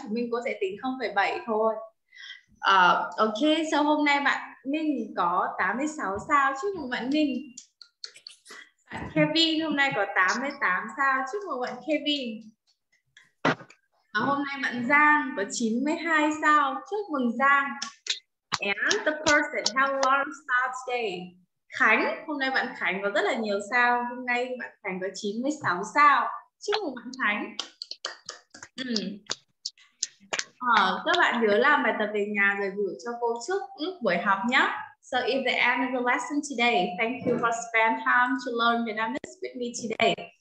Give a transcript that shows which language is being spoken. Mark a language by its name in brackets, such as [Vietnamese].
[Vietnamese] Chúng mình cô sẽ tính 0,7 thôi. Ok, so hôm nay bạn Minh có 86 sao, chúc mừng bạn Minh. Bạn Kevin hôm nay có 88 sao, chúc mừng bạn Kevin. Hôm nay bạn Giang có 92 sao, chúc mừng Giang. [English] And the person have a lot of stars today. [Vietnamese] Khánh, hôm nay bạn Khánh có rất là nhiều sao. Hôm nay bạn Khánh có 96 sao, chúc mừng bạn Khánh. Các bạn nhớ làm bài tập về nhà rồi gửi cho cô trước buổi học nhé. [English] So it's the end of the lesson today. Thank you for spending time to learn Vietnamese with me today.